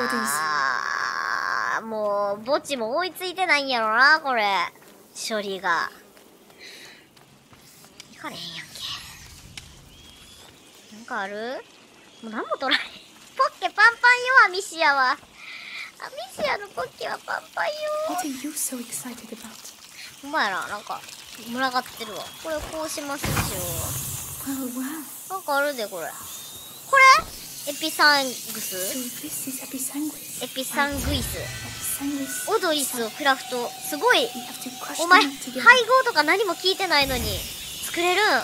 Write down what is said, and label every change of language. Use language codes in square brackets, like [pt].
[ja] あー、もう墓地も追いついてないんやろな、これ。処理が。行かれへんやんけ。なんかある？もう何も取られへん。ポッケパンパンよ、アミシアは。アミシアのポッケはパンパンよ。 [en] What are you so excited about? [ja] ほんまやな、なんか群がってるわ。これこうしますでしょ。 [en] Well, wow. [ja] なんかあるで、これ。これエピサングス、エピサングイス、オドリスをクラフト。すごい、お前配合とか何も聞いてないのに作れる。